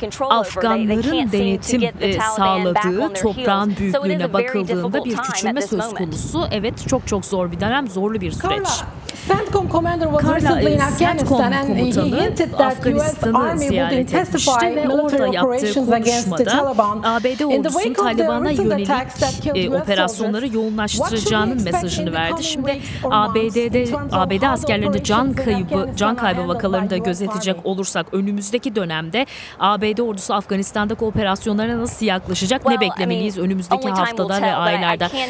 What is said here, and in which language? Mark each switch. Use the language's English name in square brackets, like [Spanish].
[Turkish] Afganların denetim sağladığı toprağın büyüklüğüne bakıldığında bir küçülme söz konusu. Evet, çok çok zor bir dönem, zorlu bir süreç. [English] CENTCOM commander was recently in Afghanistan and he hinted that Afganistan'ı US army would intensify military operations against the Taliban. [Turkish] ABD ordusunun Taliban'a yönelik operasyonları yoğunlaştıracağının mesajını verdi. Şimdi ABD askerlerinde can kaybı vakalarını da gözetecek olursak önümüzdeki dönemde ABD ordusu Afganistan'daki operasyonlara nasıl yaklaşacak, ne beklemeliyiz önümüzdeki haftada ve aylarda?